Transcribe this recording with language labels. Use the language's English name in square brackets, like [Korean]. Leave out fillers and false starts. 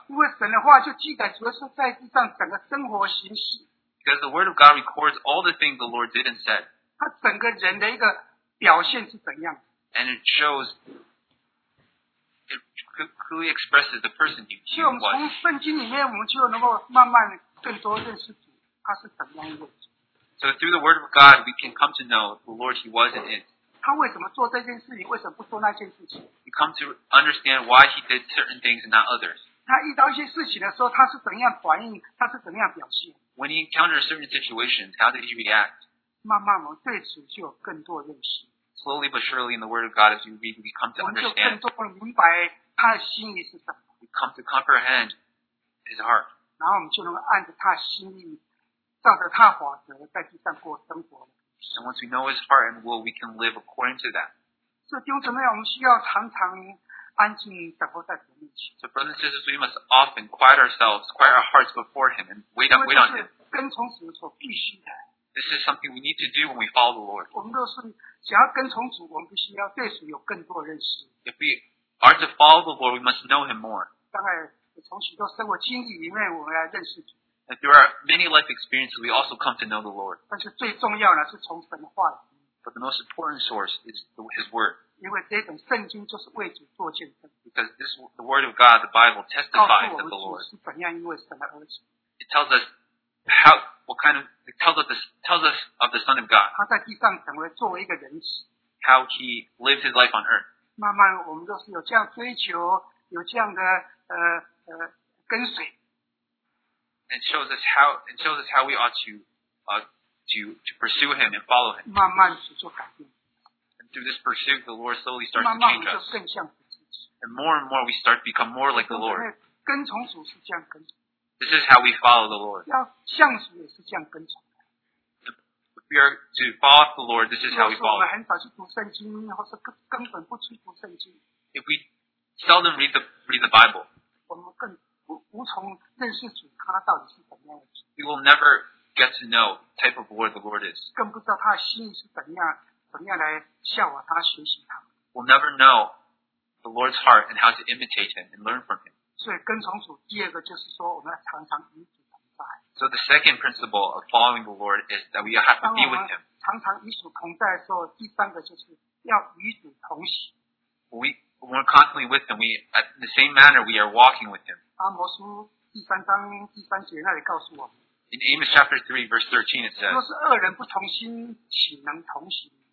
[Chinese] 因为神的话就记载主要是在地上整个生活行事。 [English] Because the Word of God records all the things the Lord did and said. [Chinese] 他整个人的一个表现是怎样。 [English] And it shows, it clearly expresses the person he was. [Chinese] 所以我们从圣经里面，我们就能够慢慢更多认识主，他是怎样的。 [English] So through the Word of God, we can come to know the Lord he was and is. [Chinese] 他为什么做这件事情，为什么不做那件事情。 [English] We come to understand why he did certain things and not others. [Chinese] 他遇到一些事情的时候，他是怎样反应，他是怎样表现。 [English] When he encounters certain situations, how did he react? [Chinese] 慢慢我对此就有更多认识。 [English] Slowly but surely in the Word of God, as you read, we come to understand. [Chinese] 我们就更多明白他的心意是什么。 [English] We come to comprehend his heart. [Chinese] 然后我们就能按着他心意，照着他法则在地上过生活。 [English] And once we know his heart and will, we can live according to that. [Chinese] 所以弟兄姊妹，我们需要常常安静等候在主面前。 [English] So brothers and sisters, we must often quiet ourselves, quiet our hearts before him and wait on him. [Chinese] 跟从主所必须的。 [English] This is something we need to do when we follow the Lord. [Chinese] 我们若是想要跟从主，我们必须要对主有更多认识。 [English] If we are to follow the Lord, we must know him more. [Chinese] 当然，从许多生活经历里面，我们来认识主。 [English] And through our many life experiences, we also come to know the Lord. [Chinese] 但是最重要的是从神的话语。 [English] But the most important source is his word. Because this, the word of God, the Bible, testifies to the Lord. It tells us how, what kind of, it tells us of the Son of God. How he lived his life on earth. It shows us how we ought to pursue him and follow him. [Chinese] 慢慢去做改变。 [English] And through this pursuit, the Lord slowly starts to change us. [Chinese] 慢慢就更像自己。 [English] And more and more, we start to become more like the Lord. [Chinese] 跟从主是这样跟从。 [English] This is how we follow the Lord. [Chinese] 要像主也是这样跟从。 [English] If we are to follow the Lord, this is how we follow. [Chinese] 我们很少去读圣经，或是根本不去读圣经。 [English] If we seldom read the Bible, [Chinese] 我们更无从认识主，他到底是怎样的主。 [English] We will never. Get to know the type of word the Lord is. [Chinese] 更不知道他的心意是怎样来效法他学习他。 [English] We'll never know the Lord's heart and how to imitate him and learn from him. [Chinese] 所以跟从主第二个就是说我们要常常与主同在。 [English] So the second principle of following the Lord is that we have to be with him. [Chinese] 常常与主同在的时候，第三个就是要与主同行。 [English] We're constantly with him. We, in the same manner, we are walking with him. [Chinese] 阿摩书第三章第三节那里告诉我们。 [English] In Amos chapter 3, verse 13, it says, [Chinese] 若是二人不同心，岂能同行？